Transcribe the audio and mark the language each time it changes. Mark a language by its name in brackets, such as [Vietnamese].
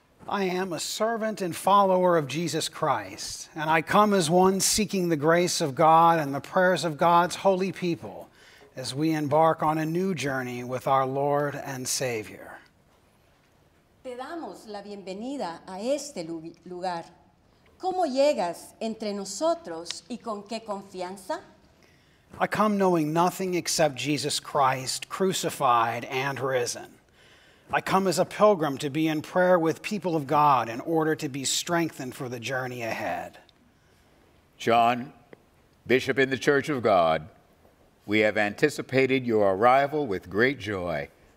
[English] I am a servant and follower of Jesus Christ, and I come as one seeking the grace of God and the prayers of God's holy people as we embark on a new journey with our Lord and Savior. [Spanish] Te damos la bienvenida a este lugar. ¿Cómo llegas entre nosotros y con qué confianza? [English] I come knowing nothing except Jesus Christ, crucified and risen. I come as a pilgrim to be in prayer with people of God in order to be strengthened for the journey ahead. John, Bishop in the Church of God, we have anticipated your arrival with great joy.